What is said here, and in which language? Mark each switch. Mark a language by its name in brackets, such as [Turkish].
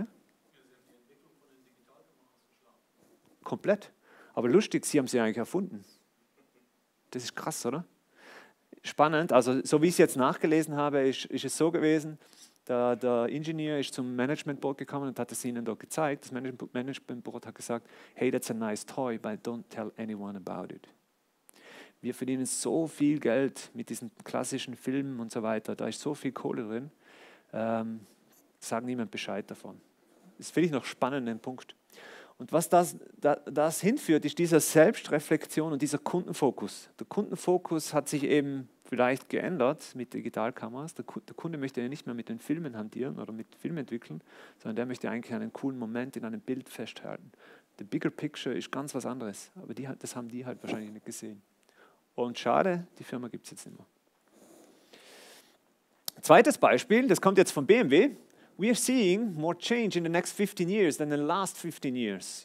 [German] sie haben die Entwicklung von den Digitalkameras geschlafen. Komplett. Aber lustig, sie haben sie eigentlich erfunden. Das ist krass, oder? Spannend. Also so wie ich es jetzt nachgelesen habe, ist es so gewesen, der Ingenieur ist zum Management Board gekommen und hat es ihnen dort gezeigt. Das Management Board hat gesagt, [English] hey, that's a nice toy, but don't tell anyone about it. [German] Wir verdienen so viel Geld mit diesen klassischen Filmen und so weiter. Da ist so viel Kohle drin. Sag niemand Bescheid davon. Das finde ich noch spannenden Punkt. Und was das hinführt, ist dieser Selbstreflexion und dieser Kundenfokus. Der Kundenfokus hat sich eben vielleicht geändert mit Digitalkameras. Der Kunde möchte ja nicht mehr mit den Filmen hantieren oder mit Filmen entwickeln, sondern der möchte eigentlich einen coolen Moment in einem Bild festhalten. [English] The bigger picture [German] ist ganz was anderes, aber das haben die halt wahrscheinlich nicht gesehen. Und schade, die Firma gibt es jetzt nicht mehr. Zweites Beispiel, das kommt jetzt von BMW. [English] We are seeing more change in the next 15 years than the last 15 years.